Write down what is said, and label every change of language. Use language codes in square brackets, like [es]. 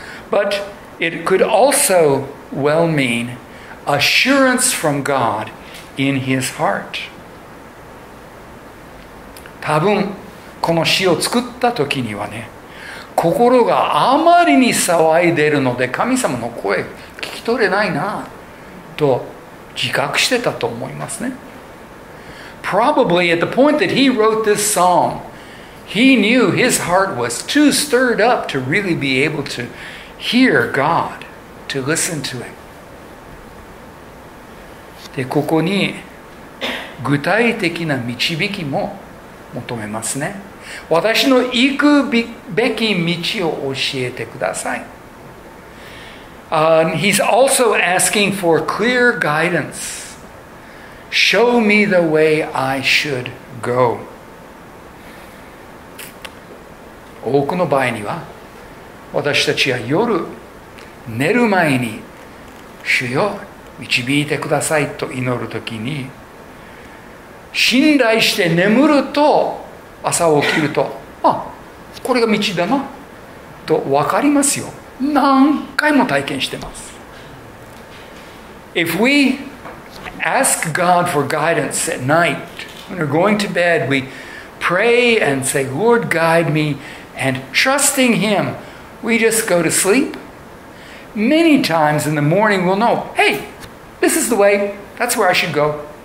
[en] But it could also well mean assurance from God in his heart. [ja] 多分この詩を作った時にはね、心があまりに騒いでるので神様の声聞き取れないなと自覚してたと思いますね。 [en] Probably at the point that he wrote this psalm, he knew his heart was too stirred up to really be able to hear God, to listen to him. [ja] で、ここに具体的な導きも求めますね。私の行くべき道を教えてください。 [en] He's also asking for clear guidance. Show me the way I should go. [ja] 多くの場合には、私たちは夜寝る前に、主よ、導いてくださいと祈るときに、信頼して眠ると、朝起きると、あ、これが道だなと分かりますよ。何回も体験してます。 [en] If we ask God for guidance at night, when we're going to bed, we pray and say, Lord, guide me, and trusting Him, we just go to sleep. Many times in the morning we'll know, hey, this is the way, that's where I should go.